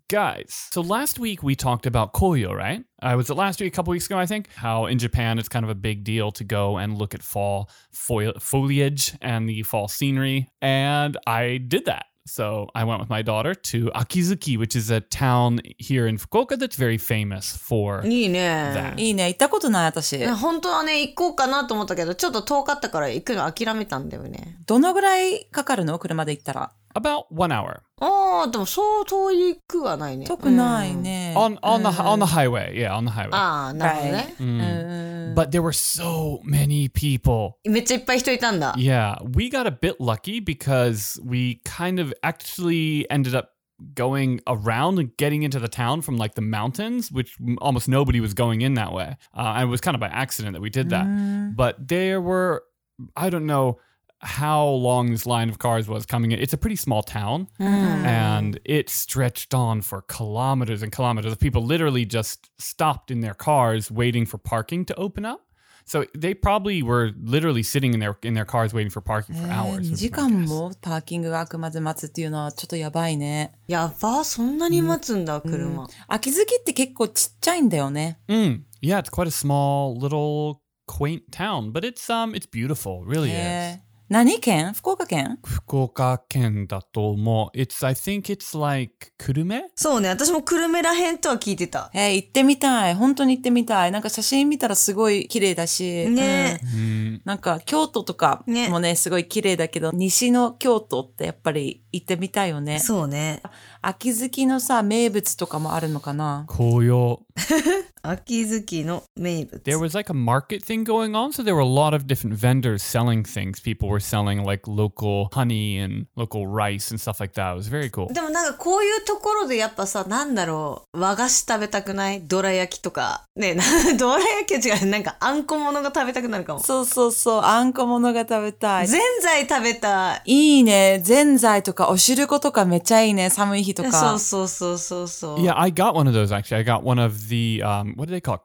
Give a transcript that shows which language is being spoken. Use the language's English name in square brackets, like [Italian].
[English] Guys, so last week we talked about Koyo, right? Was it last week, a couple weeks ago, I think? How in Japan it's kind of a big deal to go and look at fall foliage and the fall scenery. And I did that. So I went with my daughter to Akizuki, which is a town here in Fukuoka that's very famous for [Japanese] いいね。いいね。行ったことない私。本当はね、行こうかなと思ったけど、ちょっと遠かったから行くの諦めたんだよね。どのぐらいかかるの？車で行ったら。 [English] About 1 hour. [Japanese] Oh, でもそう遠くはないね。遠くないね。 [English] On the highway. Yeah, on the highway. [Japanese] Ah, なるほどね。 [English] But there were so many people. [Japanese] めっちゃいっぱい人いたんだ。 [English] Yeah, we got a bit lucky because we kind of actually ended up going around and getting into the town from like the mountains, which almost nobody was going in that way. And it was kind of by accident that we did that. But there were, I don't know how long this line of cars was coming in. It's a pretty small town. And it stretched on for kilometers and kilometers. People literally just stopped in their cars waiting for parking to open up. So they probably were literally sitting in their cars waiting for parking for hours. [Japanese] 2時間もパーキングが開くまで待つっていうのはちょっとやばいね。やば、そんなに待つんだ、車。秋月って結構ちっちゃいんだよね。 [English] Yeah, it's quite a small, little, quaint town. But it's beautiful, really is. [Japanese] 何県？福岡県？福岡県だと思う。 [English] It's, I think it's like, [Japanese] 久留米？そうね、私も久留米らへんとは聞いてた。行ってみたい。本当に行ってみたい。なんか写真見たらすごい綺麗だし。ね。なんか京都とかもね、すごい綺麗だけど、西の京都ってやっぱり行ってみたいよね。そうね。秋月のさ、名物とかもあるのかな？紅葉。秋月の名物。 [English] There was like a market thing going on, so there were a lot of different vendors selling things. People were selling like local honey and local rice and stuff like that. It was very cool. [Japanese] でもなんかこういうところでやっぱさ、なんだろう、和菓子食べたくない？どら焼きとか。ねえ、どら焼きは違う。なんかあんこものが食べたくなるかも。そうそうそう、あんこものが食べたい。ぜんざい食べたい。いいね。ぜんざいとかおしることかめっちゃいいね。寒い日とか。そうそうそうそうそう。 [English] Yeah, I got one of those actually. I got one of the, what do they call it?